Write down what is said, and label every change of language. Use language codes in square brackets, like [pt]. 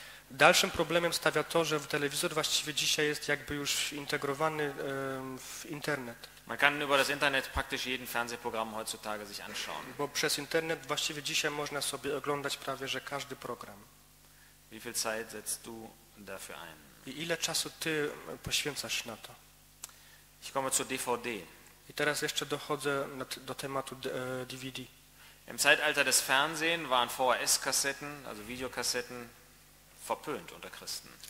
[pl] Dalszym problemem stawia to, że telewizor właściwie dzisiaj jest jakby już integrowany w Internet. [de] Man kann über das Internet praktisch jeden Fernsehprogramm heutzutage sich anschauen. [pl] Bo przez Internet właściwie dzisiaj można sobie oglądać prawie że każdy program. [de] Wie viel Zeit setzt du dafür ein? [pl] I ile czasu ty poświęcasz na to? [de] Ich komme zu DVD. [pl] I teraz jeszcze dochodzę do tematu DVD. [de] Im Zeitalter des Fernsehen waren VHS-Kassetten, also Videokassetten, verpönt unter Christen.